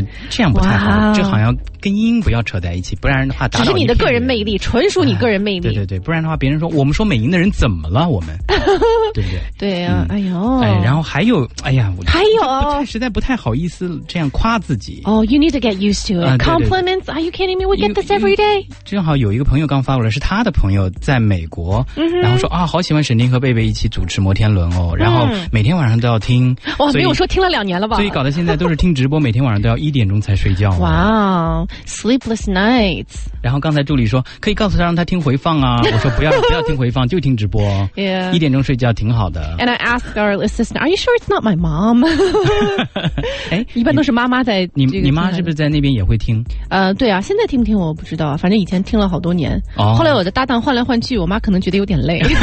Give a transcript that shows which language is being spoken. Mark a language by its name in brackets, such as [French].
[Chinese] 这样不太好，这好像跟音不要扯在一起，不然的话打扰你。只是你的个人魅力，纯属你个人魅力。对对对，不然的话别人说我们说美音的人怎么了我们。对不对？对啊、哎呦。然后还有，哎呀，我还有实在不太好意思这样夸自己。 [English] Oh, you need to get used to it. Compliments, are you kidding me? We get this every day. [Chinese] 正好有一个朋友刚发过来，是他的朋友在美国、 mm-hmm. 然后说啊，好喜欢沈听和贝贝一起主持摩天轮哦，然后每天晚上都要听。哇，没有说听了两年了吧。所以搞得现在都是听直播，每天晚上都要一点钟才睡觉。哇、 [English] wow. Sleepless nights. [Chinese] 然后刚才助理说可以告诉他让他听回放啊，我说不要听回放，就听直播。 [English] Yeah. [Chinese] 一点钟睡觉挺好的。 [English] And I asked our assistant, are you sure it's not my mom? [Chinese] 一般都是妈妈在。你妈是不是在那边也会听？对啊，现在听不听我不知道，反正以前听了好多年。 [English] Oh. [Chinese] 后来我的搭档换来换去，我妈可能觉得有点累。